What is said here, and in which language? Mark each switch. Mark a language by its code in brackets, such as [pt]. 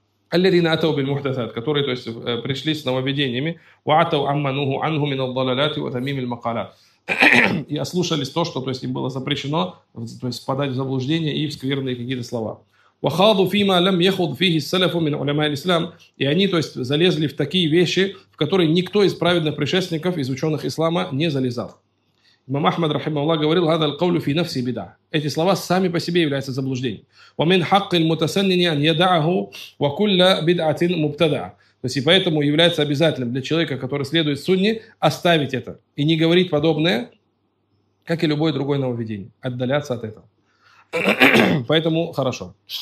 [ar] الَّذِينَ أَتَوْ بِالْمُحْدَثَاتِ, [ru] которые, то есть, пришли с нововведениями, [ar] وَعَتَوْ عَمَّنُهُ عَنْهُ مِنَ الضَّلَلَاتِ وَتَمِيمِ الْمَقَالَاتِ, [ru] и ослушались то, что, то есть, им было запрещено, то есть, впадать в заблуждение и в скверные какие-то слова. [ar] وَخَاضُوا فِي مَا لَمْ يَخُضْ فِيهِ السَّلَفُ مِنْ عُلَمَاءِ الْإِسْلَامِ, [ru] и они, то есть, залезли в такие вещи, в которые никто из праведных предшественников, из ученых ислама не залезал. Имам Ахмад, рахимахуллах, говорил, [ar] هذا القول في نفسه بدعة. [ru] Эти слова сами по себе являются заблуждением. [ar] وَمِنْ حَقِّ الْمُتَسَنِّنِ أَنْ يَدَعَهُ وَكُلَّ بِدْعَةٍ مُبْتَدَعَ. [ru] То есть, и поэтому является обязательным для человека, который следует сунне, оставить это и не говорить подобное, как и любое другое нововведение, отдаляться от этого. Поэтому хорошо.